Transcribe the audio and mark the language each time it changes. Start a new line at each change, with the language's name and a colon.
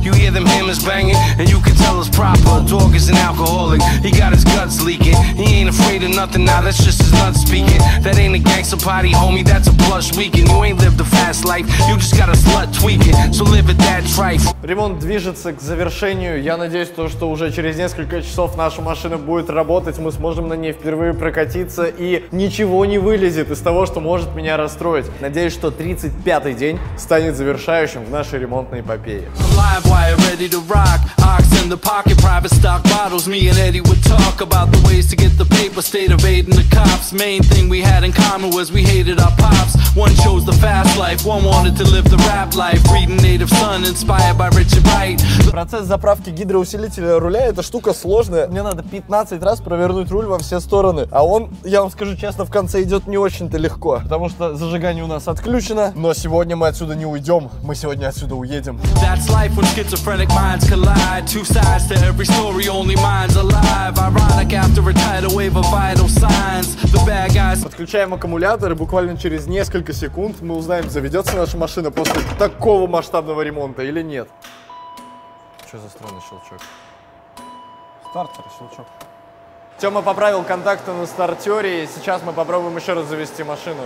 English: You hear them hammers banging, and you can tell it's proper. Dog is an alcoholic, he got his guts leaking. He ain't afraid of nothing now, that's just his nuts speaking. That ain't a gangster party, homie, that's a plush weekend. You ain't lived a fast life, you just got a slut tweaking. So live it that trife.
Russian: Ремонт движется к завершению. Я надеюсь, что уже через несколько часов наша машина будет работать. Мы сможем на ней впервые прокатиться, и ничего не вылезет из того, что может меня расстроить. Надеюсь, что 35-й день станет завершающим в нашей ремонтной эпопее.
English: Live wire ready to rock. Ox in the pocket, private stock bottles. Me and Eddie would talk about the ways to get the pay. paper, stayed evading the cops. Main thing we had in common was we hated our pops. One chose the fast life, one wanted to live the rap life. Reading Native Son, inspired by Richard Wright.
Russian: Процесс заправки гидроусилителя руля — это штука сложная. Мне надо 15 раз провернуть руль во все стороны. А он, я вам скажу честно, в конце идет не очень-то легко, потому что зажигание у нас отключено. Но сегодня мы отсюда не уйдем, мы сегодня отсюда уедем.
English: That's life when schizophrenic minds collide. Two sides to every story, only mine's alive. Ironic after a tidal wave of vital signs. The bad guys.
Russian: Подключаем аккумулятор, и буквально через несколько секунд мы узнаем, заведется наша машина после такого масштабного ремонта или нет. Что за странный щелчок? Стартер, щелчок. Тёма поправил контакты на стартере, и сейчас мы попробуем еще раз завести машину.